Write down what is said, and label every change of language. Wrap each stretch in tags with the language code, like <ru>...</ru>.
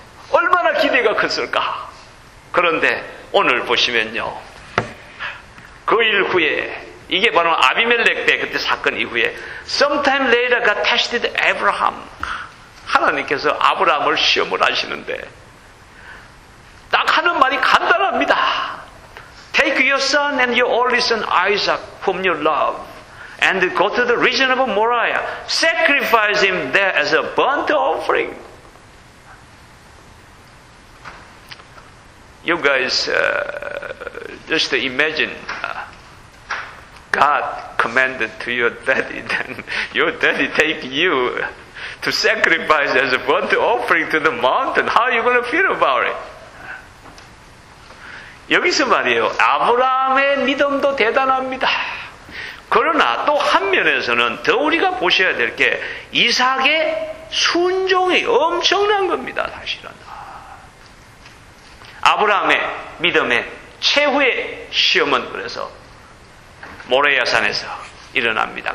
<ko>얼마나 기대가 컸을까. 그런데 오늘 보시면요, 그 일 후에, 이게 바로 아비멜렉 때 그때 사건 이후에</ko> <en>Sometime later God tested Abraham.</en> <ko>하나님께서 아브라함을 시험을 하시는데 딱 하는 말이 간단합니다.</ko> <en>Take your son and your only son Isaac whom you love and go to the region of Moriah. Sacrifice him there as a burnt offering. You guys, just imagine. God commanded to your daddy, then your daddy take you to sacrifice as a burnt offering to the mountain. How are you going to feel about it?</en> <ko>여기서 말이에요. 아브라함의 믿음도 대단합니다. 그러나 또 한 면에서는 더 우리가 보셔야 될 게 이삭의 순종이 엄청난 겁니다. 사실은 아브라함의 믿음의 최후의 시험은 그래서 모레야산에서 일어납니다.</ko>